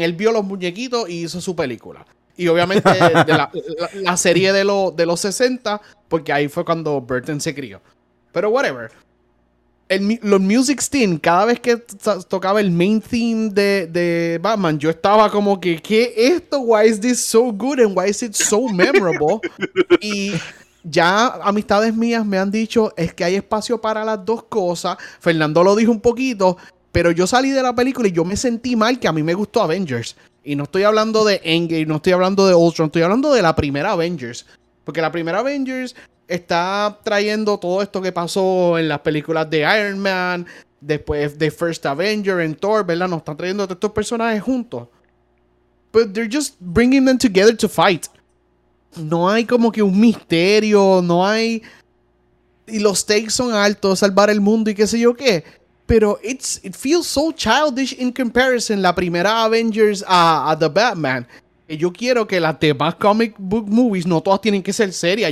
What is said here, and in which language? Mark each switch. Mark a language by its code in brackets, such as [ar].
[es] Él vio los muñequitos y hizo su película. Y obviamente la serie de los 60, porque ahí fue cuando Burton se crió. Pero whatever. Los music scene, cada vez que tocaba el main theme de Batman, yo estaba como que, ¿qué es esto? [en] Why is this so good and why is it so memorable? [es] Y ya amistades mías me han dicho, es que hay espacio para las 2 cosas. Fernando lo dijo un poquito, pero yo salí de la película y yo me sentí mal que a mí me gustó Avengers. Y no estoy hablando de Endgame, no estoy hablando de Ultron, estoy hablando de la primera Avengers. Porque la primera Avengers está trayendo todo esto que pasó en las películas de Iron Man, después de First Avenger en Thor, ¿verdad? Nos están trayendo a todos estos personajes juntos. [en] But they're just bringing them together to fight. [es] No hay como que un misterio, no hay... Y los stakes son altos, salvar el mundo y qué sé yo qué. [en] Pero it feels so childish in comparison [es] la primera [en] Avengers a The Batman. [es] Yo quiero que las demás comic book movies no todas tienen que ser serias.